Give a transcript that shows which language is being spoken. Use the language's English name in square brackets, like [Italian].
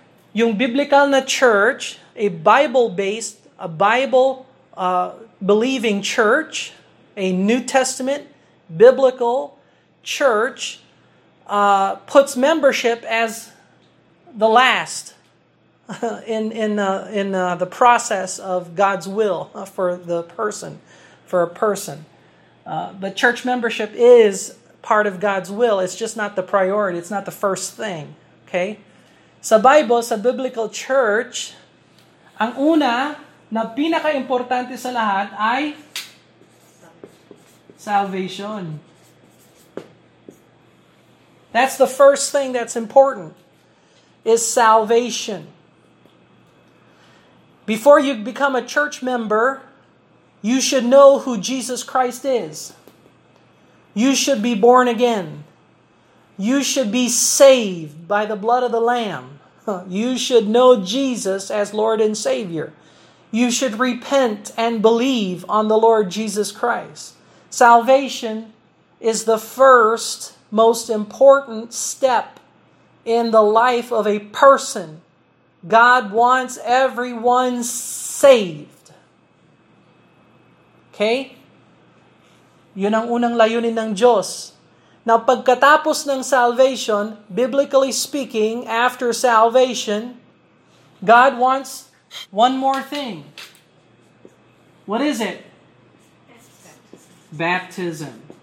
[English] Yung biblical na church, a Bible-based, a Bible-believing church, a New Testament biblical church puts membership as the last in the process of God's will for the person, for a person. But church membership is part of God's will. It's just not the priority. It's not the first thing. Okay? [Filipino] Sa Bible, sa biblical church, ang una na pinaka-importante sa lahat ay salvation. [English] That's the first thing that's important is salvation. Before you become a church member, you should know who Jesus Christ is. You should be born again. You should be saved by the blood of the Lamb. You should know Jesus as Lord and Savior. You should repent and believe on the Lord Jesus Christ. Salvation is the first, most important step in the life of a person. God wants everyone saved. Okay? [Filipino] Yun ang unang layunin ng Diyos. [English] Now, [Filipino] pagkatapos ng [English] salvation, biblically speaking, after salvation, God wants one more thing. What is it? Baptism.